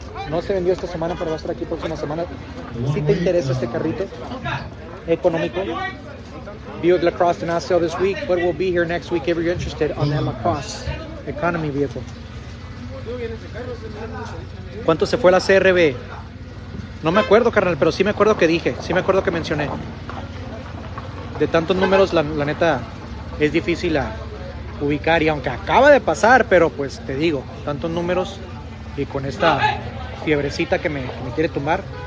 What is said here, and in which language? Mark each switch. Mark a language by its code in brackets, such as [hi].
[es] No se vendió esta semana, pero va a estar aquí próxima semana. Si te interesa este carrito económico. [en] Buick LaCrosse did not sell this week, but we'll be here next week if you're interested on that LaCrosse economy vehicle. [es] ¿Cuánto se fue la CRV? No me acuerdo, carnal, pero sí me acuerdo que dije. Sí me acuerdo que mencioné. De tantos números, la neta, es difícil a ubicar. Y aunque acaba de pasar, pero pues te digo, tantos números y con esta fiebrecita que me quiere tumbar.